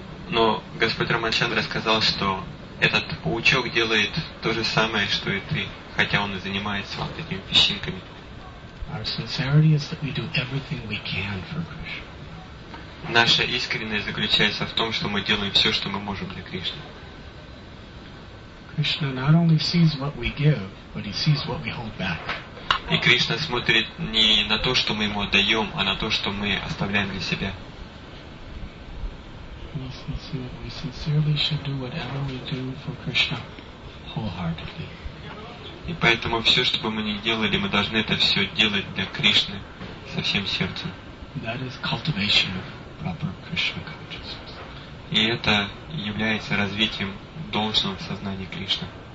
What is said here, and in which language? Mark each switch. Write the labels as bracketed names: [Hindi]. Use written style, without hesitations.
[Russian] Но Господь Рамачандра сказал, что этот паучок делает то же самое, что и ты, хотя он и занимается вот этими песчинками. [English] Our sincerity is that we do everything we can for Krishna. [Russian] Наша искренность заключается в том, что мы делаем все, что мы можем для Кришны. [English] Krishna not only sees what we give, but he sees what we hold back. [Russian] И Кришна смотрит не на то, что мы ему отдаем, а на то, что мы оставляем для себя. [English] We sincerely should do whatever we do for Krishna wholeheartedly. [Russian] И поэтому все, что бы мы ни делали, мы должны это все делать для Кришны со всем сердцем. [English] That is cultivation of proper Krishna consciousness. [Russian] И это является развитием должного сознания Кришны.